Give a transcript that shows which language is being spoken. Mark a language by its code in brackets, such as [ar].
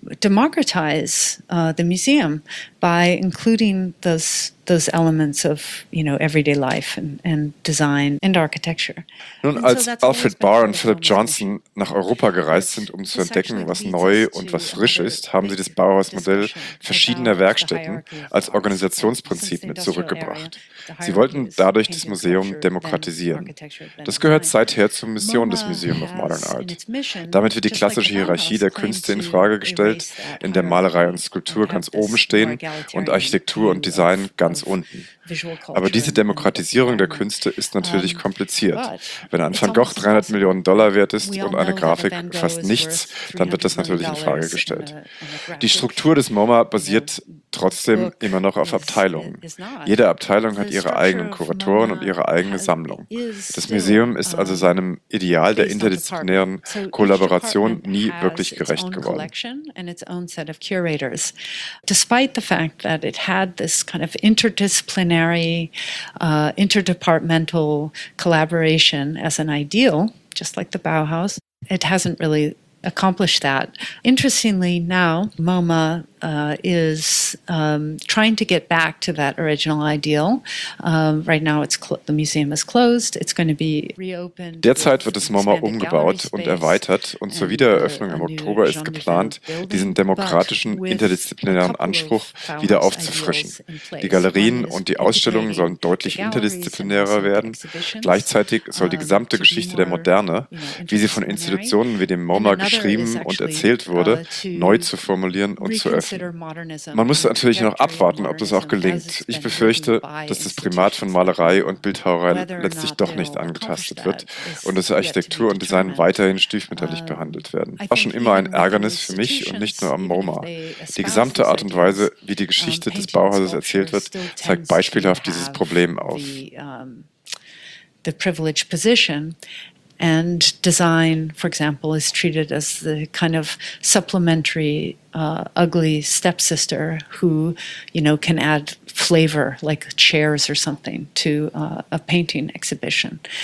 [en] democratize the museum by including those elements of, you know, everyday life and design and architecture. [de] Nun, [en] and [de] als so Alfred Barr und Philip Johnson nach Europa gereist sind, um zu entdecken, was neu und was frisch ist, haben sie das Bauhausmodell verschiedener Werkstätten als Organisationsprinzip mit zurückgebracht. Sie wollten dadurch das Museum demokratisieren. Das gehört seither zur Mission des Museum of Modern Art. Damit wird die klassische Hierarchie der Künste in Frage gestellt, in der Malerei und Skulptur ganz oben stehen und Architektur und Design ganz unten. Aber diese Demokratisierung der Künste ist natürlich kompliziert. Wenn ein Van Gogh 300 Millionen Dollar wert ist und eine Grafik fast nichts, dann wird das natürlich in Frage gestellt. Die Struktur des MoMA basiert trotzdem immer noch auf Abteilungen. Jede Abteilung hat ihre eigenen Kuratoren und ihre eigene Sammlung. Das Museum ist also seinem Ideal der interdisziplinären Kollaboration nie wirklich gerecht geworden. [en] Despite the fact that it had this kind of interdisciplinary, interdepartmental collaboration as an ideal, just like the Bauhaus, it hasn't really accomplished that. Interestingly, now MoMA is trying to get back to that original ideal. Right now, the museum is closed. It's going to be reopened. [de] Derzeit wird das MoMA umgebaut und erweitert, und zur Wiedereröffnung im Oktober ist geplant, diesen demokratischen, interdisziplinären Anspruch wieder aufzufrischen. Die Galerien und die Ausstellungen sollen deutlich interdisziplinärer werden. Gleichzeitig soll die gesamte Geschichte der Moderne, wie sie von Institutionen wie dem MoMA geschrieben und erzählt wurde, neu zu formulieren und zu öffnen. Man muss natürlich noch abwarten, ob das auch gelingt. Ich befürchte, dass das Primat von Malerei und Bildhauerei letztlich doch nicht angetastet wird und dass Architektur und Design weiterhin stiefmütterlich behandelt werden. Das war schon immer ein Ärgernis für mich und nicht nur am MoMA. Die gesamte Art und Weise, wie die Geschichte des Bauhauses erzählt wird, zeigt beispielhaft dieses Problem auf. [en] The privileged position. And design, for example, is treated as the kind of supplementary, ugly stepsister who, you know, can add flavor, like chairs or something, to a painting exhibition.